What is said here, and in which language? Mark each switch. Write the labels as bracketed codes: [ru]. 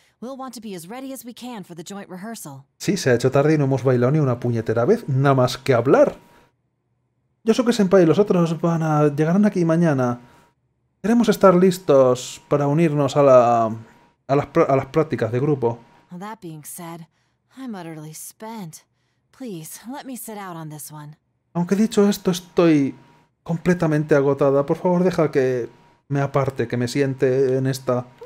[en] We'll want to be as ready as we can for the joint rehearsal. [es] Sí, se ha hecho tarde y no hemos bailado ni una puñetera vez, nada más que hablar. Yosuke-senpai y los otros llegarán aquí mañana. Queremos estar listos para unirnos a las prácticas de grupo. [en] Well, that being said, I'm utterly spent. Please, let me sit out on this one. [es] Aunque dicho esto, estoy completamente agotada. Por favor, deja que me aparte, que me siente en esta.